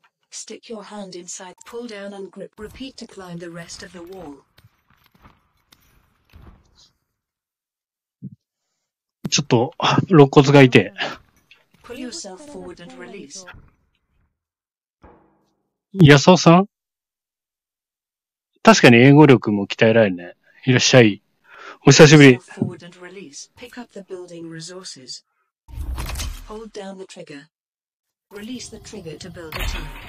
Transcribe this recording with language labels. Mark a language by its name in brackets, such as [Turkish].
[English] Stick your hand inside, pull down and grip. Repeat to climb the rest of the wall. [Japanese] ちょっと肋骨が痛い。 [English] Pull yourself forward and release. [Japanese] やそうさん。確かに英語力も鍛えられるね。いらっしゃい。お久しぶり。 [English] Forward and release. Pick up the building resources. Hold down the trigger. Release the trigger to build a tunnel.